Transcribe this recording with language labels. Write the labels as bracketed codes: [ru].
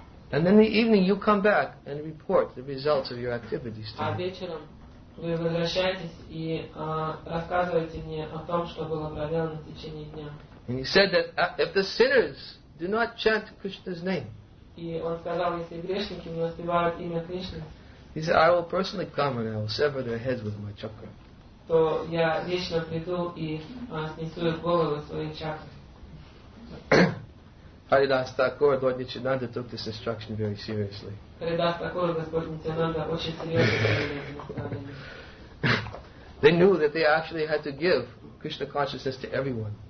[en] And in the evening you come back and report the results of your activities to him. [ru] Вы возвращаетесь и рассказываете мне о том, что было проделано в течение дня. [en] And he said that if the sinners do not chant Krishna's name, [ru] и он сказал, если грешники не воспевают имя Кришны, [en] he said, I will personally come and I will sever their heads with my chakra. [ru] То я лично приду и снесу их головы своей чакрой. [en] Haridas Thakur, Lord Nityananda took this instruction very seriously. They knew that they actually had to give Krishna consciousness to everyone.